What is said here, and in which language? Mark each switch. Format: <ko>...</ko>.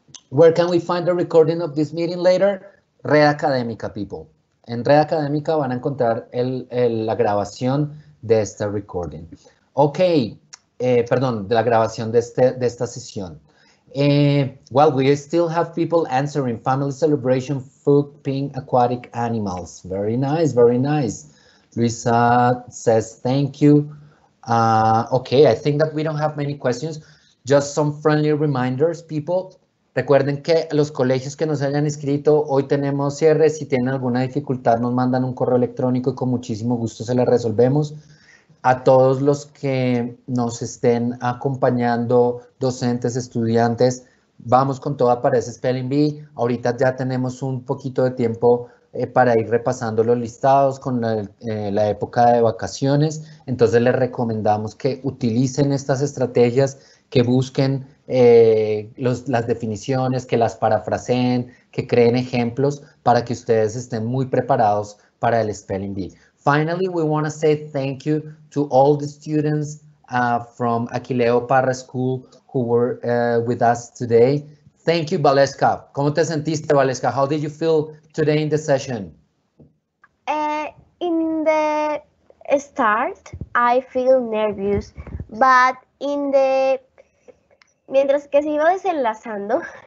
<en>Where can we find the recording of this meeting later? Red Académica, people.</en> <es>En Red Académica van a encontrar la grabación de este recording. Ok, perdón, de la grabación de esta sesión.</es> <en>Well, we still have people answering. Family celebration, food, pink, aquatic animals. Very nice, very nice. Luisa says thank you. Okay, I think that we don't have many questions. Just some friendly reminders, people.</en> <es>Recuerden que los colegios que nos hayan inscrito, hoy tenemos cierre. Si tienen alguna dificultad, nos mandan un correo electrónico y con muchísimo gusto se la resolvemos. A todos los que nos estén acompañando, docentes, estudiantes, vamos con toda para ese Spelling Bee. Ahorita ya tenemos un poquito de tiempo para ir repasando los listados con la época de vacaciones. Entonces, les recomendamos que utilicen estas estrategias, que busquen las definiciones, que las parafraseen, que creen ejemplos para que ustedes estén muy preparados para el Spelling Bee.</es> <en>Finally, we want to say thank you to all the students from Aquileo Parra School who were with us today. Thank you, Valeska.</en> <es>¿Cómo te sentiste, Valeska?</es> <en>How did you feel today in the session? In the start, I feel nervous, but in the</en> <es>mientras que se iba desenlazando.</es>